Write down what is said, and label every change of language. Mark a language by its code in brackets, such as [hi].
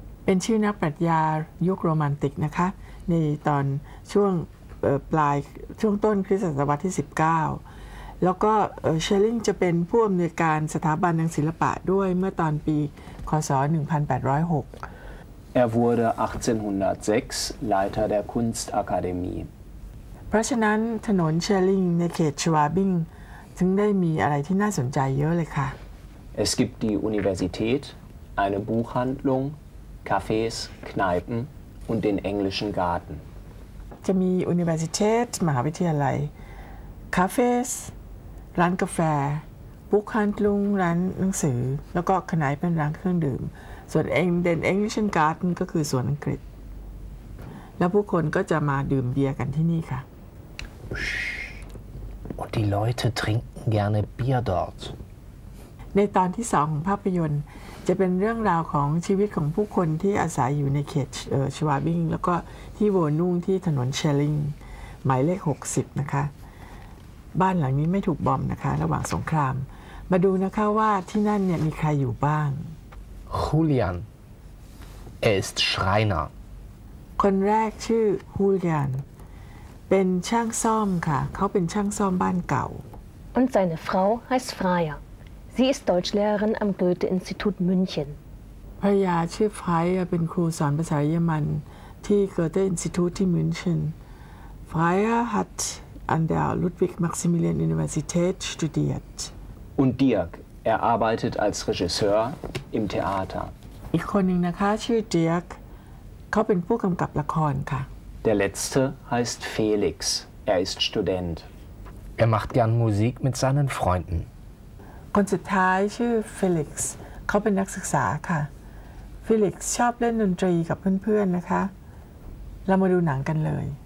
[th] เป็นชื่อนักปรัชญายุคโรมันติกนะคะในตอนช่วงปลายช่วงต้นคริสต์ศตวรรษที่19แล้วก็Schelling จะเป็นผู้อำนวยการสถาบันทางศิลปะด้วยเมื่อตอนปีค.ศ.1806 [de] Er wurde 1806 Leiter der Kunstakademie [th] เพราะฉะนั้นถนน Schelling ในเขตชวาบิ้งถึงได้มีอะไรที่น่าสนใจเยอะเลยค่ะ [de] Es gibt die Universität, eine Buchhandlung, Cafés, Kneipen und den englischen Garten. [th] จะมี Universität, มหาวิทยาลัย Cafés, ร้านกาแฟ Buchhandlung, ร้านหนังสือแล้วก็ Kneipen, ร้านเครื่องดื่มส่วน [de] den englischen Garten [th] ก็คือสวนอังกฤษแล้วผู้คนก็จะมาดื่มเบียร์กันที่นี่ค่ะ [de] Und die Leute trinken gerne Bier dort. [th] ในตอนที่สองของภาพยนตร์จะเป็นเรื่องราวของชีวิตของผู้คนที่อาศัยอยู่ในเขตชวาบิงแล้วก็ที่โวนุ่งที่ถนนเชลลิงหมายเลข60นะคะบ้านหลังนี้ไม่ถูกบอมนะคะระหว่างสงครามมาดูนะคะว่าที่นั่นเนี่ยมีใครอยู่บ้าง [de] Julian ist Schreiner. [th] คนแรกชื่อ Julianเป็นช่างซ่อมค่ะเขาเป็นช่างซ่อมบ้านเก่า [de] Und seine Frau heißt Freier. Sie ist Deutschlehrerin am Goethe-Institut München. [th] ภรรยาชื่อ Freier เป็นครูสอนภาษาเยอรมันที่ Goethe-Institut ที่ München. [de] Freier hat an der Ludwig-Maximilian-Universität studiert. Und Dirk, arbeitet als Regisseur im Theater. [th] อีกคนหนึ่งนะคะชื่อ Dirk เขาเป็นผู้กำกับละครค่ะ [de] Der letzte heißt Felix. Ist Student. Macht gern Musik mit seinen Freunden. [th] คนสุดท้ายชื่อ Felix. เขาเป็นนักศึกษาค่ะ Felix ชอบเล่นดนตรีกับเพื่อนๆ นะคะเรามาดูหนังกันเลย